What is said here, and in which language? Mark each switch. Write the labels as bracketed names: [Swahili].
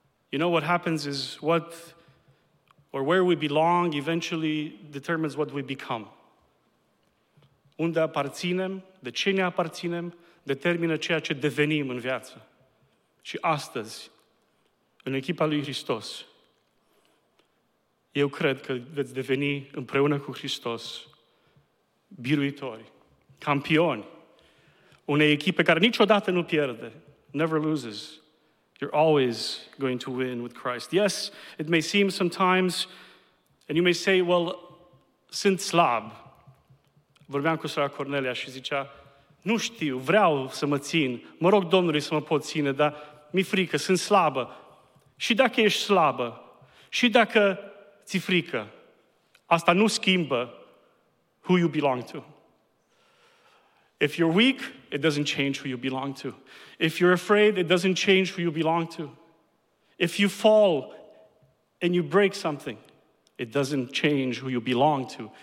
[English] You know what happens is what or where we belong eventually determines what we become. [Romanian] Unde aparținem, de ce ne aparținem, determină ceea ce devenim în viață. Și astăzi, în echipa lui Hristos, eu cred că veți deveni împreună cu Hristos biruitori, campioni, unei echipe care niciodată nu pierde, [English] never loses. You're always going to win with Christ. Yes, it may seem sometimes, and you may say, well, [Romanian] sunt slab. Vorbeam cu sora Cornelia și zicea, nu știu, vreau să mă țin, mă rog Domnului să mă pot ține, dar mi-e frică, sunt slabă. Și dacă ești slabă, și dacă ți-e frică, asta nu schimbă [English] who you belong to. If you're weak, it doesn't change who you belong to. If you're afraid, it doesn't change who you belong to. If you fall and you break something, it doesn't change who you belong to.